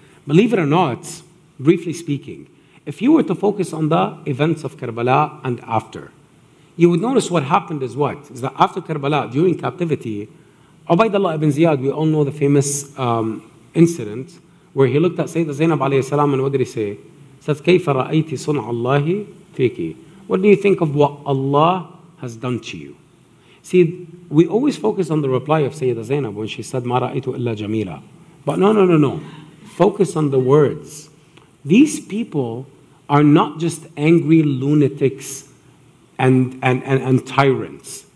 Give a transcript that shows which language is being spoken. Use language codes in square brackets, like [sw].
[en] Believe it or not, briefly speaking, if you were to focus on the events of Karbala and after, you would notice what happened is what? Is that after Karbala, during captivity, Ubaydullah ibn Ziyad, we all know the famous incident where he looked at Sayyidina Zainab alayhi salam and what did he say? [ar] He says, كَيْفَ رَأَيْتِ صُنْعَ اللَّهِ فِيكِ. [en] What do you think of what Allah has done to you? See, we always focus on the reply of Sayyidina Zainab when she said, [ar] مَا رَأَيْتُ إِلَّا جَمِيلًا. [en] But no. Focus on the words. These people are not just angry lunatics and tyrants.